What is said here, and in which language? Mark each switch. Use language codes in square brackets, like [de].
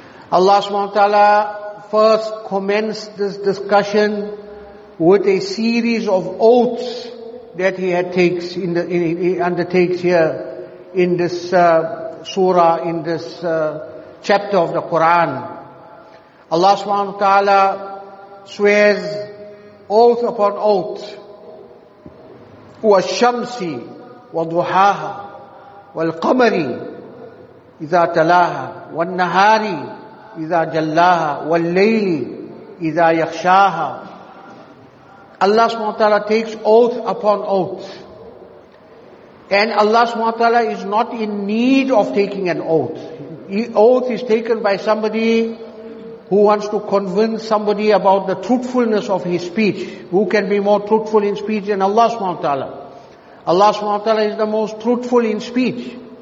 [en] Allah subhanahu wa ta'ala first commenced this discussion with a series of oaths that he had takes in the in, he undertakes here in this surah, in this chapter of the Quran. Allah subhanahu wa ta'ala swears oath upon oath: [ar] وَالشَّمْسِ وَضُحَاهَا وَالْقَمَرِ إِذَا تَلَاهَا وَالنَّهَارِ إِذَا جَلَّاهَا وَاللَّيْلِ إِذَا يَخْشَاهَا. [en] Allah subhanahu wa ta'ala takes oath upon oath. And Allah subhanahu wa ta'ala is not in need of taking an oath. Oath is taken by somebody who wants to convince somebody about the truthfulness of his speech. Who can be more truthful in speech than Allah subhanahu wa ta'ala? Allah subhanahu wa ta'ala is the most truthful in speech.